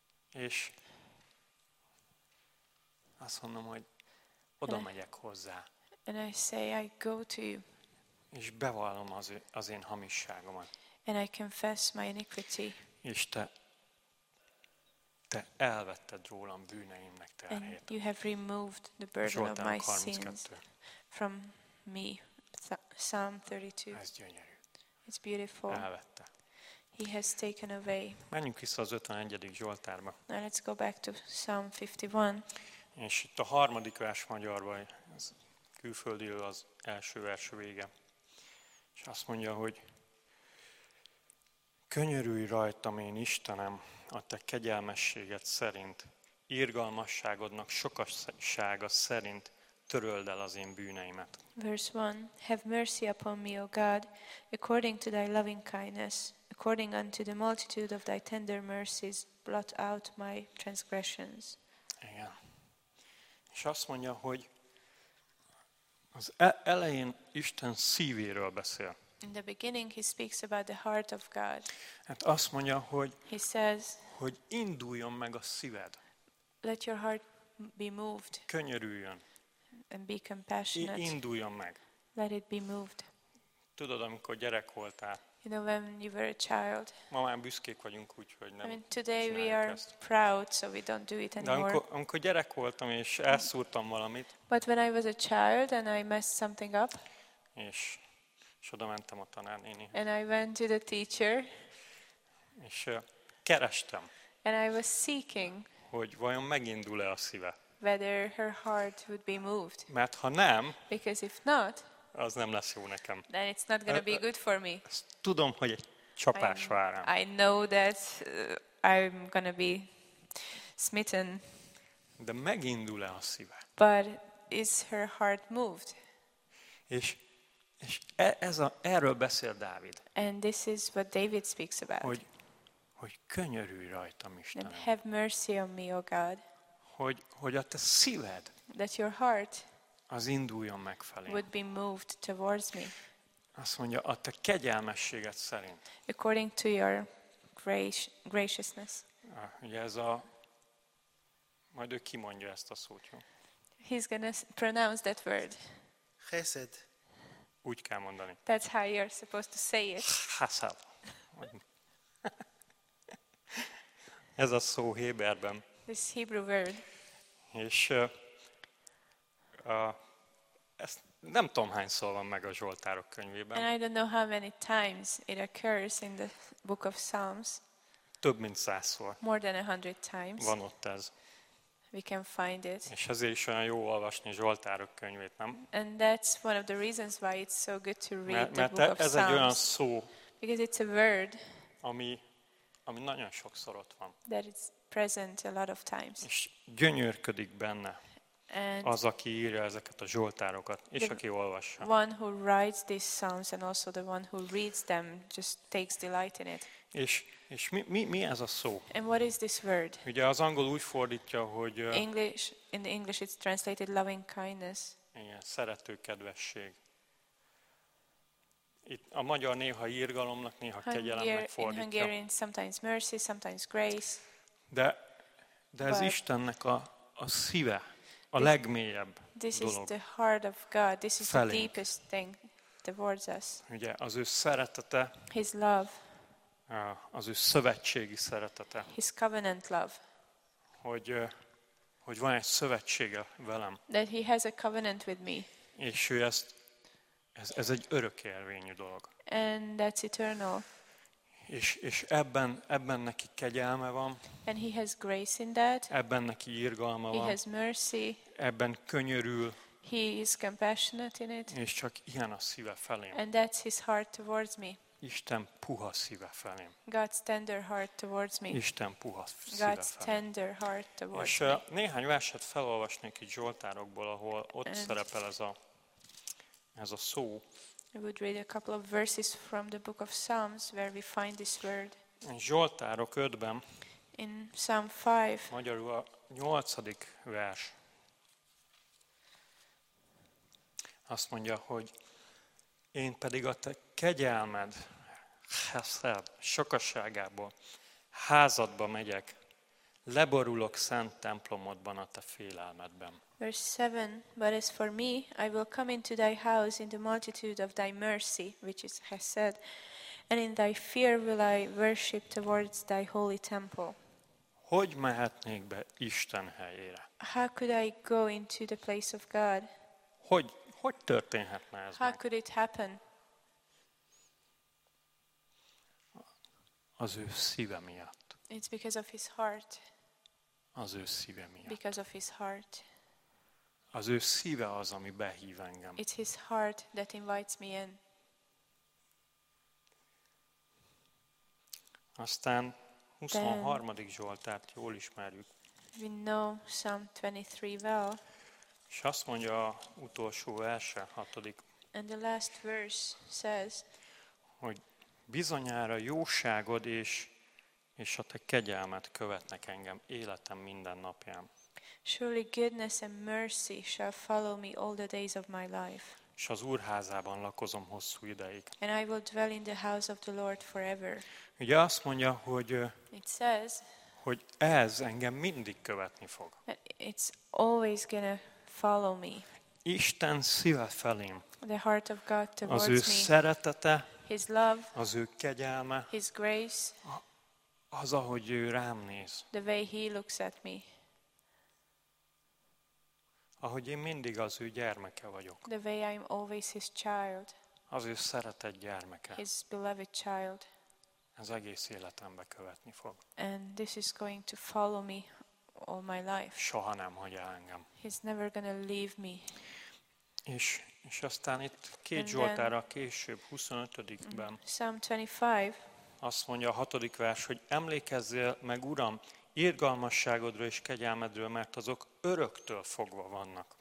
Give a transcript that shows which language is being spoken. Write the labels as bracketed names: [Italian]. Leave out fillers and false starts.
[Hungarian] És azt mondom, hogy oda megyek hozzá. [English] And I say I go to you. [Hungarian] És bevallom az én hamisságomat. [English] And I confess my iniquity. [Hungarian] És te elvetted rólam bűneimnek terhét. [English] And you have removed the burden of my sins from me. Psalm 32. [Hungarian] Ez gyönyörű. [English] It's beautiful. [Hungarian] Elvette. [English] He has taken away. [Hungarian] Menjünk vissza az 51. Zsoltárba. [English] Now let's go back to Psalm 51. [Hungarian] És itt a harmadik vers magyarban, ez külföldiről az első vers vége. És azt mondja, hogy könyörülj rajtam, én Istenem, a te kegyelmességed szerint, irgalmasságodnak sokassága szerint töröld el az én bűneimet. [English] Verse 1. Have mercy upon me, O God, according to thy loving kindness, according unto the multitude of thy tender mercies, blot out my transgressions. [Hungarian] Igen. És azt mondja, hogy az elején Isten szívéről beszél. [English] In the beginning he speaks about the heart of God. [Hungarian] Hát azt mondja, hogy [English] he says, [Hungarian] hogy induljon meg a szíved. [English] Let your heart be moved. [Hungarian] Könyörüljön. [English] And be compassionate. [Hungarian] Induljon meg. [English] Let it be moved. [Hungarian] Tudod, amikor gyerek voltál. [English] You know, when you were a child. [Hungarian] Ma már büszkék vagyunk, úgyhogy nem. [English] I mean, today we are proud, so we don't do it anymore. [Hungarian] De amikor gyerek voltam és elszúrtam valamit. [English] But when I was a child and I messed something up. [Hungarian] És oda mentem a tanárnénihez. [English] And I went to the teacher. [Hungarian] És kerestem. [English] And I was seeking. [Hungarian] Hogy vajon megindul-e a szíve. [English] Whether her heart would be moved. [Hungarian] Mert ha nem, [English] because if not, [Hungarian] az nem lesz jó nekem. [English] Then it's not going to be good for me. [Hungarian] Tudom, hogy egy csapás vár rám. [English] I know that I'm going to be smitten. [Hungarian] De megindul-e a szíve. [English] But is her heart moved? [Hungarian] És ez a, erről beszél Dávid. [English] And this is what David speaks about. [Hungarian] Hogy könyörülj rajtam, Istenem. [English] And have mercy on me, O God. [Hungarian] Hogy a te szíved, [English] that your heart, [Hungarian] az induljon meg felém. [English] Would be moved towards me. [Hungarian] Azt mondja, a te kegyelmességed szerint. [English] According to your graciousness. [Hungarian] Ugye ez a, majd ő kimondja ezt a szót, jó? [English] He's gonna pronounce that word. [Hebrew] Chesed. [Hungarian] Úgy kell mondani. [English] That's how you're supposed to say it. [Hebrew] Chesed. [Hungarian] Ez a szó héberben. [English] This Hebrew word. [Hungarian] És ezt nem tudom hány szó van meg a Zsoltárok könyvében. [English] And I don't know how many times it occurs in the book of Psalms. [Hungarian] Több mint 100-szor. [English] More than 100 times. [Hungarian] Van ott ez. [English] We can find it. [Hungarian] És ezért is olyan jó olvasni Zsoltárok könyvét, nem? [English] And that's one of the reasons why it's so good to read [Hungarian] mert [English] the book of Psalms. [Hungarian] Mert ez egy olyan szó. [English] Because it's a word. [Hungarian] Ami nagyon sokszor ott van. [English] That is present a lot of times. [Hungarian] És gyönyörködik benne. [English] And [Hungarian] az, aki írja ezeket a zsoltárokat, és aki olvassa. [English] One who writes these psalms and also the one who reads them just takes delight in it. [Hungarian] És mi ez a szó? [English] And what is this word? [Hungarian] Ugye az angol úgy fordítja, hogy [English] English, in the English it's translated loving kindness. [Hungarian] Igen, szerető kedvesség. Itt a magyar néha írgalomnak, néha kegyelemnek fordítja. [English] In Hungarian, sometimes mercy, sometimes grace. [Hungarian] De ez Istennek a szíve, a legmélyebb [English] this [Hungarian] dolog. [English] This is the heart of God. This is felénk. The deepest thing towards us. [Hungarian] Ugye az ő szeretete. [English] His love. [Hungarian] Az ő szövetségi szeretete. [English] His covenant love. [Hungarian] Hogy van egy szövetsége velem. [English] That he has a covenant with me. [Hungarian] És ő ezt Ez egy örökérvényű dolog. [English] And that's eternal. [Hungarian] És ebben neki kegyelme van. [English] And he has grace in that. [Hungarian] Ebben neki irgalma van. [English] He has mercy. [Hungarian] Ebben könyörül. [English] He is compassionate in it. [Hungarian] És csak ilyen a szíve felém. [English] And that's his heart towards me. [Hungarian] Isten puha szíve felém. [English] God's tender heart towards me. [Hungarian] Isten puha szíve felém. [English] God's tender heart towards me. [Hungarian] És néhány verset felolvasnék itt Zsoltárokból, ahol ott szerepel ez a szó. [English] I would read a couple of verses from the book of Psalms where we find this word. [Hungarian] Zsoltárok 5-ben. [English] In Psalm 5. [Hungarian] Magyarul a 8. vers. Azt mondja, hogy én pedig a te kegyelmed, chesed, sokasságából házadba megyek, leborulok szent templomodban a te félelmedben. [English] Verse 7, but as for me, I will come into thy house in the multitude of thy mercy, which is chesed, and in thy fear will I worship towards thy holy temple. [Hungarian] Hogy mehetnék be Isten helyére? [English] How could I go into the place of God? [Hungarian] Hogy, hogy történhetne ez? [English] How could it happen? [Hungarian] Az ő szíve miatt. [English] It's because of his heart. [Hungarian] Az ő szíve miatt. [English] Because of his heart. [Hungarian] Az ő szíve az, ami behív engem. [English] It's his heart that invites me in. [Hungarian] Aztán 23. Zsoltárt jól ismerjük. [English] We know Psalm 23 well. [Hungarian] És azt mondja a utolsó verse, 6. [English] And the last verse says, [Hungarian] hogy bizonyára jóságod és a te kegyelmed követnek engem életem minden napján. [English] Surely goodness and mercy shall follow me all the days of my life. [Hungarian] És az úrházában lakozom hosszú ideig. [English] And I will dwell in the house of the Lord forever. [Hungarian] Ugye azt mondja, hogy [English] it says, [Hungarian] hogy ez engem mindig követni fog. [English] It's always gonna follow me. [Hungarian] Isten szíve felém. [English] The heart of God towards me. [Hungarian] Az ő szeretete. [English] His love. [Hungarian] Az ő kegyelme. [English] His grace. [Hungarian] Az, ahogy ő rám néz. [English] The way he looks at me. [Hungarian] Ahogy én mindig az ő gyermeke vagyok. [English] The way I'm always his child. [Hungarian] Az ő szeretett gyermeke. [English] His beloved child. [Hungarian] Ez egész életembe követni fog. [English] And this is going to follow me all my life. [Hungarian] Soha nem hagyja engem. [English] He's never gonna leave me. [Hungarian] És aztán itt két Zsoltára később, 25-ben. [English] Psalm 25. [Hungarian] Azt mondja a 6. vers, hogy emlékezzél meg, Uram, irgalmasságodról és kegyelmedről, mert azok öröktől fogva vannak.